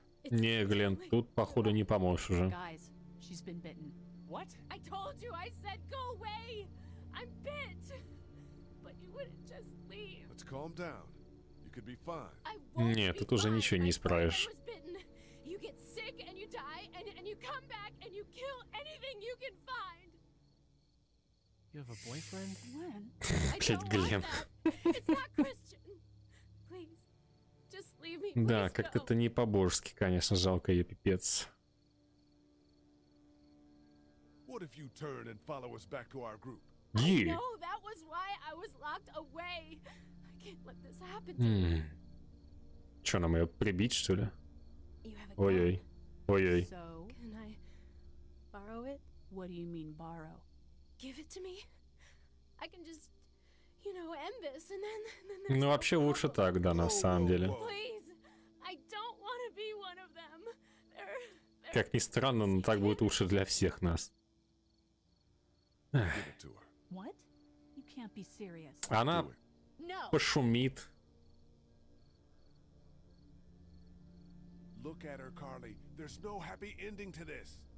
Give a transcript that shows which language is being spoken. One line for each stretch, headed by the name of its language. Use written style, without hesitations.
Russian: Не, Глен, тут, походу, не поможешь уже.
English: She's been bitten. What? I told you, I said go away. I'm bit. But you wouldn't just leave. Let's calm down. You could be fine.
Russian: Нет, тут уже ничего не исправишь.
English: You get sick and you die and you come back and you kill anything you can find. You have a boyfriend? When? I don't want that. It's not Christian. Please. Just leave me.
Russian: Да, как-то это не по-божески, конечно, жалко её, пипец.
English: What if you turn and follow us back to our group? I know, that was why I was locked away. I can't let this happen to you.
Russian: Что, нам её прибить, что ли? Ой-ой. Ой-ой.
English: So, can I borrow it? What do you mean borrow? Give it to me. I can just, you know, end this and then...
Russian: Ну, вообще лучше так, да, на самом деле.
English: Please, I don't want to be one of them.
Russian: Как ни странно, но так будет лучше для всех нас.
English: What? You can't be serious.
Russian: Она пошумит.
English: Look at her, Carly. There's no happy ending to this.